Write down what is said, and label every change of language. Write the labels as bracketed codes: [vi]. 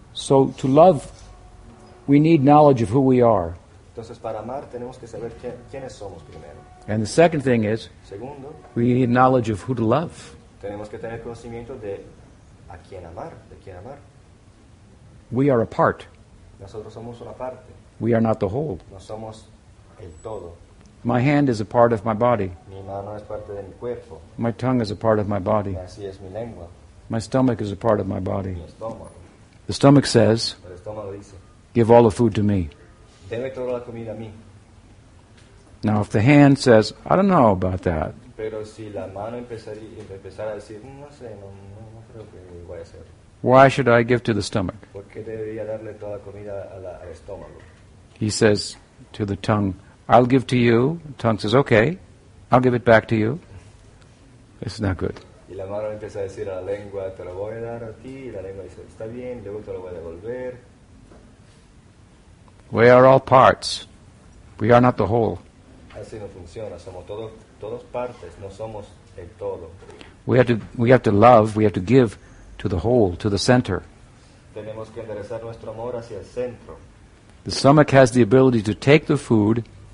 [en] So to love, we need knowledge of who we are. [es] Entonces, para amar, tenemos que saber quiénes somos primero. [en] And the second thing is, [es] segundo, [en] we need knowledge of who to love. [es] Tenemos que tener conocimiento de a quién amar, de quién amar. [en] We are a part. [es] Nosotros somos una parte. [en] We are not the whole. [es] No somos el todo. [en] My hand is a part of my body. [es] Mi mano es parte de mi cuerpo. [en] My tongue is a part of my body. [es] Y así es mi lengua. [en] My stomach is a part of my body. [es] Mi estómago. [en] The stomach says, [es] el estómago dice, [en] give all the food to me. [es] Deme toda la comida a mí. [en] Now if the hand says, I don't know about that. [es] Pero si la mano empezara a decir, no sé, no creo que voy a hacer. [en] Why should I give to the stomach? [es] ¿Por qué debería darle toda la comida al estómago? [en] He says to the tongue, I'll give to you. The tongue says, okay, I'll give it back to you. It's not good. [es] Y la mano empieza a decir a la lengua, te lo voy a dar a ti. Y la lengua dice, está bien, luego te lo voy a devolver. [en] We are all parts. We are not the whole. [es] Así no funciona. Somos todos partes. No somos el todo. [en] We have to love. We have to give to the whole, to the center. [es] Tenemos que enderezar nuestro amor hacia el centro. [en] The stomach has the ability to take the food